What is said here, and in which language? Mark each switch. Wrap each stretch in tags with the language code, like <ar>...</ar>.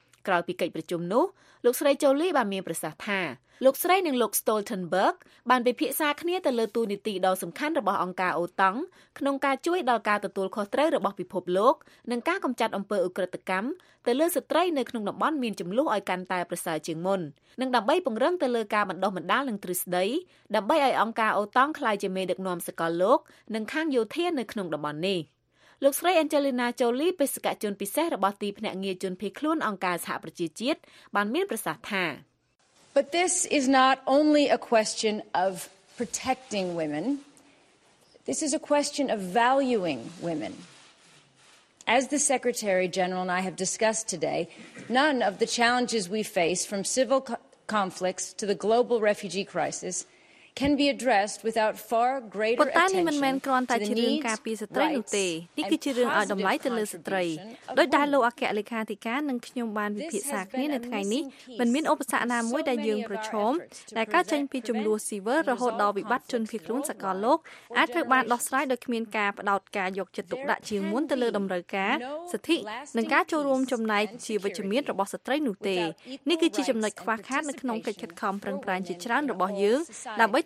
<km>ក្រោយពីកិច្ចប្រជុំនោះលោកស្រីចូលីបានមានប្រសាសន៍ថាលោកស្រីនិងលោក Stoltenberg បានពិភាក្សាគ្នាទៅលើទូនីតិដ៏សំខាន់របស់អង្គការអូតង់ក្នុងការជួយដល់ការទទួលខុសត្រូវរបស់ពិភពលោកនិងការកម្ចាត់អំពើឧក្រិដ្ឋកម្មទៅលើស្ត្រីនៅក្នុងតំបន់មានចំនួនឲ្យកាន់តែប្រសើរជាងមុននិងដើម្បីពង្រឹងទៅលើការបណ្ដុះបណ្ដាលនិងទ្រឹស្ដី ដើម្បីឲ្យអង្គការអូតង់ក្លាយជាមេដឹកនាំសកលលោកនិងខាងយោធានៅក្នុងតំបន់នេះលោកស្រី Angelina Jolie បេសកជនពិសេសរបស់ទីភ្នាក់ងារជនភៀសខ្លួនអង្គការសហប្រជាជាតិបានមានប្រសាសន៍ថា</km> <en>But this is not only a question of protecting women. This is a question of valuing women. As the Secretary General and I have discussed today, none of the challenges we face from civil conflicts to the global refugee crisis can be addressed without far greater attention.</en> <km>ប៉ុន្តែមិនមែនគ្រាន់តែជារឿងការពារស្ត្រីនោះទេនេះគឺជារឿងឲ្យតម្លៃទៅលើស្ត្រីដោយដែលលោកអគ្គលេខាធិការនិងខ្ញុំបានពិភាក្សាគ្នានៅថ្ងៃនេះមិនមានឧបសគ្ណាមួយដែលយើងប្រឈមដែលកើតចេញពីចំនួនស៊ីវើរហូតដល់វិបត្តិជនភៀសខ្លួនសកលលោកអាចត្រូវបានដោះស្រាយដោយគ្មានការផ្ដោតការយកចិត្តទុកដាក់ជាមុនទៅលើតម្រូវការសិទ្ធិនិងការចូលរួមចំណែកជាវិជ្ជមានរបស់ស្ត្រីនោះទេនេះគឺជាចំណុចខ្វះខាតនៅក្នុងកិច្ចខិតខំប្រឹងប្រែងជាច្រើនរបស់យើងដើម្បី</km>